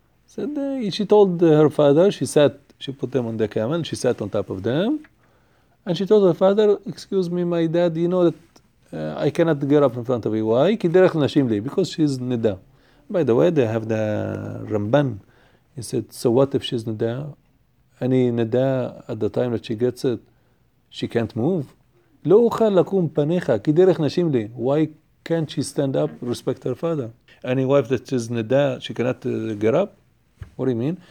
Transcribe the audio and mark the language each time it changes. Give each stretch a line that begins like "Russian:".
English: Said, she told her father, she put them on the camel, she sat on top of them, and she told her father, excuse me, my dad, you know that I cannot get up in front of you. Why?
Hebrew: כי דרך נשים לי,
English: because she's
Hebrew: נדה.
English: By the way, they have the Ramban. He said, so what if she's נדה? Any נדה at the time that she gets it, she can't move?
Hebrew: לא אוכל לקום פניך, כי דרך נשים לי.
English: Why can't she stand up, respect her father? Any wife that is Nida, she cannot get up? What do you mean?